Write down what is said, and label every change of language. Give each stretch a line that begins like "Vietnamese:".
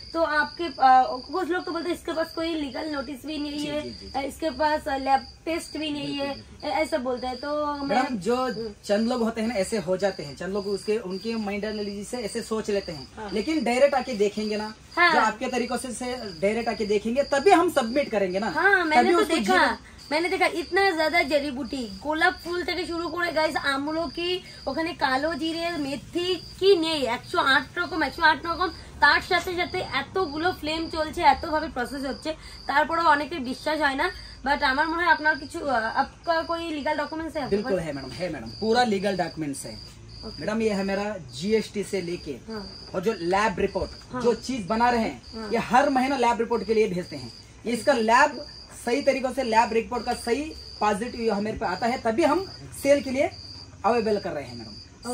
Hindi: तो आपके कुछ लोग तो बोलते हैं इसके पास कोई लीगल नोटिस भी नहीं है, इसके पास लैब टेस्ट भी नहीं है, ऐसा बोलते हैं। तो मैम, जो चंद लोग होते हैं ना, ऐसे हो जाते हैं चंद लोग, उसके उनके माइंड एनालिसिस से ऐसे सोच लेते हैं। हाँ। लेकिन डायरेक्ट आके देखेंगे ना, हाँ। आपके तरीकों से डायरेक्ट आके देखेंगे तभी हम सबमिट करेंगे ना। हाँ, मैंने तो देखा, मैंने देखा इतना ज्यादा जड़ी बूटी गोलाप फूल से शुरू करे गाइस, आमलो की
Bangla: ওখানে কালো জিরে মেথি কি নেই 108 রকম তার সাথে সাথে এতগুলো ফ্লেম চলছে, এত ভাবে প্রসেস হচ্ছে, তারপরে অনেকে বিশ্বাস হয় না। বাট আমার মনে হয় আপনার কিছু আপনার কোনো লিগ্যাল ডকুমেন্টস আছে?
Hindi: बिल्कुल है मैडम, है मैडम, पूरा लीगल डॉक्यूमेंट्स है मैडम। ये है मेरा जीएसटी से लेके और जो लैब रिपोर्ट जो चीज बना रहे हैं ये हर महीना लैब रिपोर्ट के लिए भेजते हैं। इसका लैब सही तरीकों से लैब रिपोर्ट का सही पॉजिटिव हमारे पे आता है तभी हम सेल के लिए अवेलेबल कर रहे हैं मैडम।